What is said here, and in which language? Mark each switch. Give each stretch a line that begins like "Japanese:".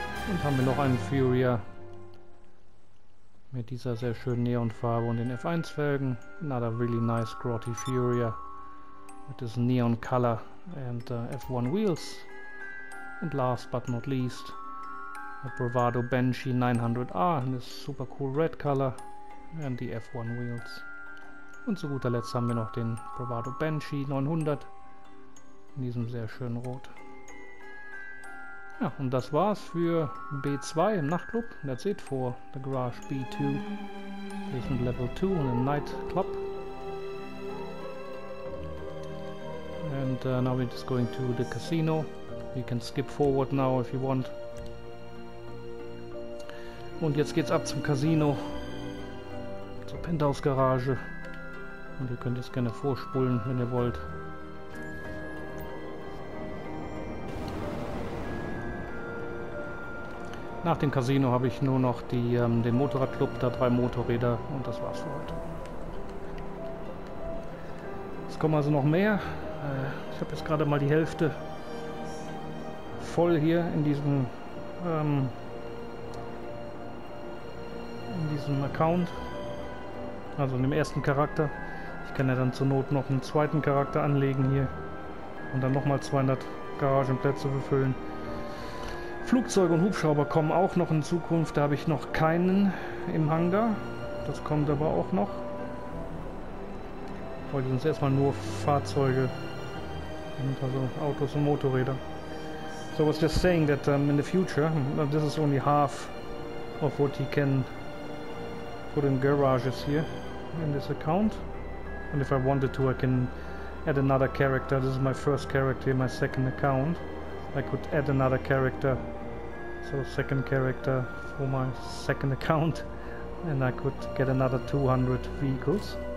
German: Und haben wir noch einen Furia mit dieser sehr schönen Neonfarbe und den F1 Felgen.
English: Another really nice grotty Furia with this neon color and F1 wheels. And last but not least, a Bravado Banshee 900R in this super cool red color and the F1 wheels.
German: Und zu guter Letzt haben wir noch den Bravado Banshee 900 in diesem sehr schönen Rot. Ja, und das war's für B2 im Nachtclub.
English: That's it for the Garage B2, Basement Level 2
German: und
English: the Nightclub. And now we're just going to the Casino. You can skip forward now if you want.
German: Und jetzt geht's ab zum Casino, zur Penthouse Garage. Und ihr könnt jetzt gerne vorspulen, wenn ihr wollt. Nach dem Casino habe ich nur noch den Motorradclub, da 3 Motorräder und das war's für heute. Es kommen also noch mehr. Ich habe jetzt gerade mal die Hälfte voll hier in diesem diesem Account. Also in dem ersten Charakter. Ich kann ja dann zur Not noch einen zweiten Charakter anlegen hier. Und dann nochmal 200 Garagenplätze befüllen. Flugzeuge und Hubschrauber kommen auch noch in Zukunft. Da habe ich noch keinen im Hangar. Das kommt aber auch noch. Ich wollte uns erstmal nur Fahrzeuge, also Autos und Motorräder.
English: So, I was just saying that in the future, this is only half of what he can put in garages here in this account. And if I wanted to, I can add another character. This is my first character in my second account. I could add another character, so second character for my second account, and I could get another 200 vehicles.